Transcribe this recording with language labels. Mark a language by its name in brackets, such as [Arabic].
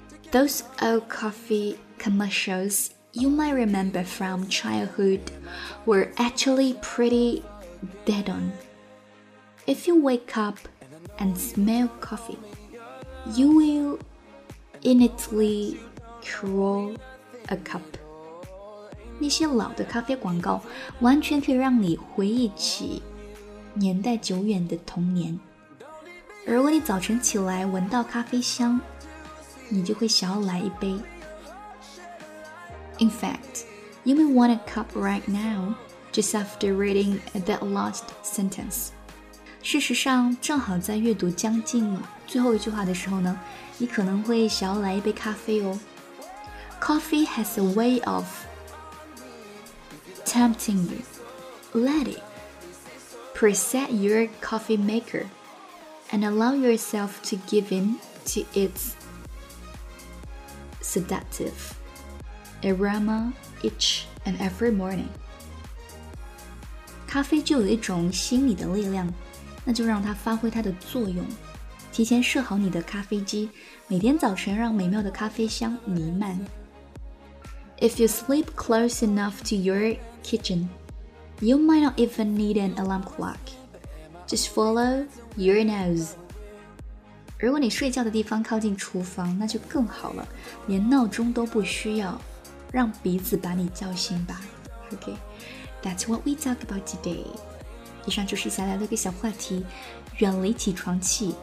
[English] Those old coffee commercials you might remember from childhood were actually pretty dead on. If you wake up and smell coffee, you will innately crawl a cup. [Chinese] 那些老的咖啡广告完全可以让你回忆起年代久远的童年。如果你早晨起来闻到咖啡香，你就会想要来一杯。 [English] In fact, you may want a cup right now, just after reading that last sentence. [Chinese] 事实上，正好在阅读将近最后一句话的时候呢，你可能会想要来一杯咖啡哦。 [English] Coffee has a way ofTempting you, let it preset your coffee maker and allow yourself to give in to its seductive aroma each and every morning. [Chinese] 咖啡就有一种心理的力量，那就让它发挥它的作用。提前设好你的咖啡机，每天早晨让美妙的咖啡香弥漫。 [English] If you sleep close enough to your kitchen, you might not even need an alarm clock. Just follow your nose. [Chinese] 如果你睡觉的地方靠近厨房，那就更好了，连闹钟都不需要，让鼻子把你叫醒吧。 [English] Okay, that's what we talk about today. [Chinese] 以上就是想聊的一个小话题，远离起床气。